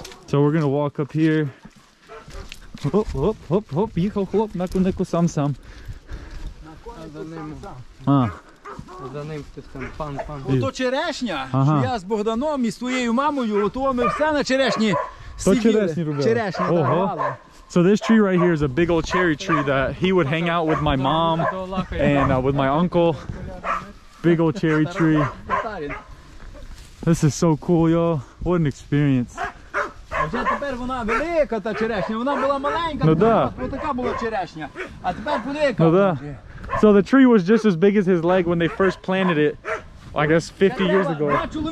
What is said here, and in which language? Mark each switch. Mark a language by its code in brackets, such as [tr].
[en] So we're gonna walk up here. Оп, оп, оп, оп. [uk] Їхав хлоп на конику сам-сам. А за ним. А. За ним хтось там пан-пан. Ото черешня, що я з Богданом і своєю мамою, ото ми все на черешні сібіли. То черешні робили. Черешня добивали. [en] So this tree right here is a big old cherry tree that he would hang out with my mom and with my uncle. Big old cherry tree. This is so cool, y'all. What an experience. [uk] Вже тепер вона велика, та черешня. Вона була маленька, ну, да. Вот така була черешня. А тепер велика. Ну, да. [en] So the tree was just as big as his leg when they first planted it, I guess 50 years ago.